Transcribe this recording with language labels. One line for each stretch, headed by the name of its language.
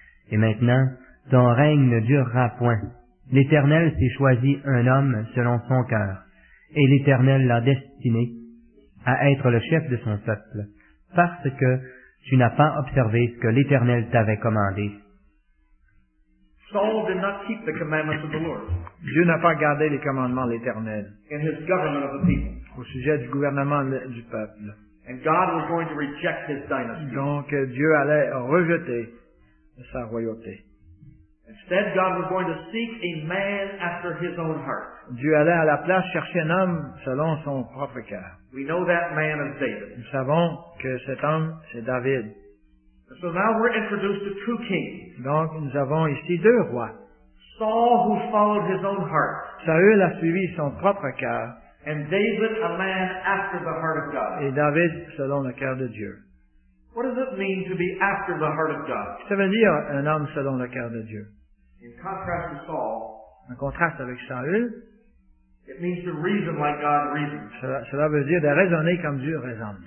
French: Et maintenant, ton règne ne durera point. L'Éternel s'est choisi un homme selon son cœur, et l'Éternel l'a destiné à être le chef de son peuple, parce que tu n'as pas observé ce que l'Éternel t'avait commandé. »
English: Saul did not keep the commandments of the Lord.
French: Dieu n'a pas gardé les commandements de l'Éternel.
English: In his government of the people.
French: Au sujet du gouvernement du peuple.
English: And God was going to reject his dynasty.
French: Donc Dieu allait rejeter sa royauté.
English: Instead, God was going to seek a man after his own heart.
French: Dieu allait à la place chercher un homme selon son propre cœur.
English: We know that man is David.
French: Nous savons que cet homme, c'est David.
English: So now we're introduced to two kings.
French: Donc, nous avons ici deux rois.
English: Saul, who followed his own heart.
French: Saül a suivi son propre cœur.
English: And David, a man after the heart of God.
French: Et David, selon le cœur de Dieu.
English: What does it mean to be after the heart of God?
French: Ça veut dire un homme selon le cœur de Dieu.
English: In contrast to Saul,
French: en contraste avec Saül,
English: it means to reason like God reasons.
French: Cela veut dire de raisonner comme Dieu raisonne.